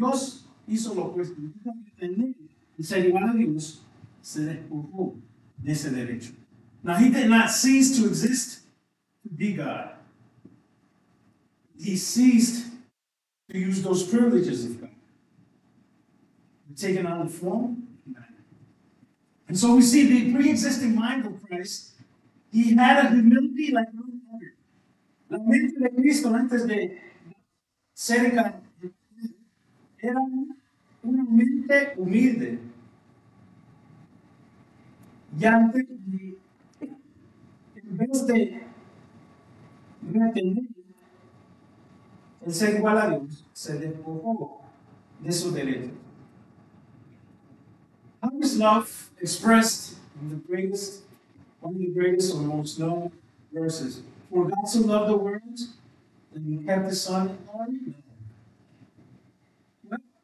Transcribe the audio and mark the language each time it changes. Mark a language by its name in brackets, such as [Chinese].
[Spanish] Dios hizo lo opuesto, nunca retener. Y se llevó a Dios, se despojó de ese derecho. [English] Now he did not cease to exist to be God. He ceased to use those privileges of God. Taken on the form of man. And so we see the pre-existing mind of Christ, he had a humility like no other. [Spanish] La mente de Cristo antes de ser encarnado era una mente humilde. Y antes de, en vez de retener el ser igual a Dios, se despojó de su derecho. [English] How is love expressed in the greatest, one of the greatest or most known verses? For God so loved the world that he kept his son in glory? No.